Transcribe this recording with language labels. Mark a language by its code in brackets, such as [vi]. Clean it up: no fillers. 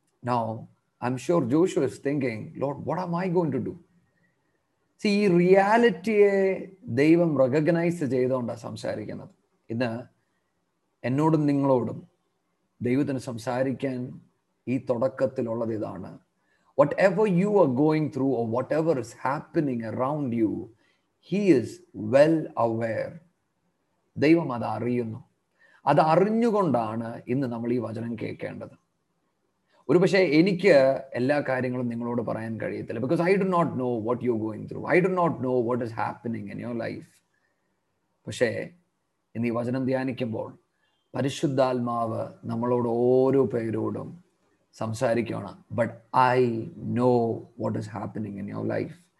[en] Now I am sure Joshua is thinking, Lord what am I going to do. [ml] C, ഈ റിയാലിറ്റിയെ ദൈവം recognise ചെയ്തുകൊണ്ടാണ് സംസാരിക്കുന്നത്. ഇന്ന് എന്നോടും നിങ്ങളോടും ദൈവത്തിന് സംസാരിക്കാൻ ഈ തുടക്കത്തിലുള്ളത് ഇതാണ്. [en] Whatever you are going through or whatever is happening around you, he is well aware. [ml] ദൈവം അത് അറിയുന്നു. അത് അറിഞ്ഞുകൊണ്ടാണ് ഇന്ന് നമ്മൾ ഈ വചനം കേൾക്കേണ്ടത്. ഒരു പക്ഷേ എനിക്ക് എല്ലാ കാര്യങ്ങളും നിങ്ങളോട് പറയാൻ കഴിയത്തില്ല, [en] Because I do not know what you going through, I do not know what is happening in your life. [ml] പക്ഷേ ഇന്ന് ഈ വചനം ധ്യാനിക്കുമ്പോൾ പരിശുദ്ധാത്മാവ് നമ്മളോട് ഓരോ പേരോടും സംസാരിക്കുകയാണ്, [en] But I know what is happening in your life.